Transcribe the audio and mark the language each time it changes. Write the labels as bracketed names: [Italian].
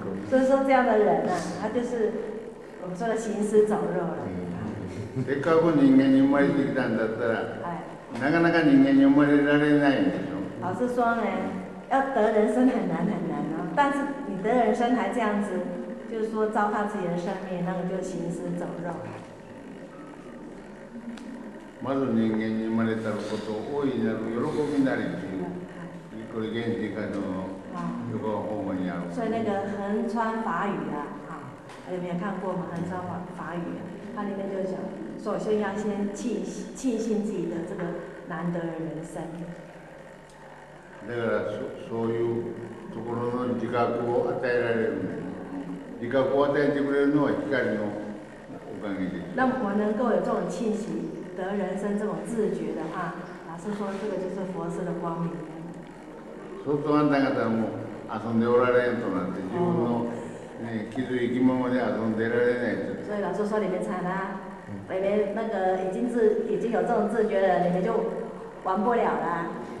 [Chinese] 所以说这样的人呢、他就是我们说的行尸走肉了。 [Japanese] せっかく人間に生まれてきたんだったら、なかなか人間に生まれられないんでしょ。 [Chinese] 老师说呢，要得人生很难很难哦，但是你得人生还这样子，就是说糟蹋自己的生命，那个就行尸走肉。 [Japanese] まず人間に生まれたこと大いなる喜びなりっていう。これ現世界の [Chinese] 如果我们要，所以那个横穿法语啊，啊，有没有看过吗？横穿法语、啊，他那边就讲，首先要先庆幸自己的这个难得的人生。 [Japanese] だからそういうところの自覚を与えられる、自覚を与えてくれるのは光のおかげです。 [Chinese] 那我能够有这种庆幸得人生这种自觉的话，老师说这个就是佛师的光明。 [Japanese] そうするとあなた方はもう遊んでおられんとなって自分の、ね、気づいきままで遊んでられないと。 [Chinese] 所以老师说你们惨啦、啊，你们那个已经有这种自觉了，你们就玩不了啦。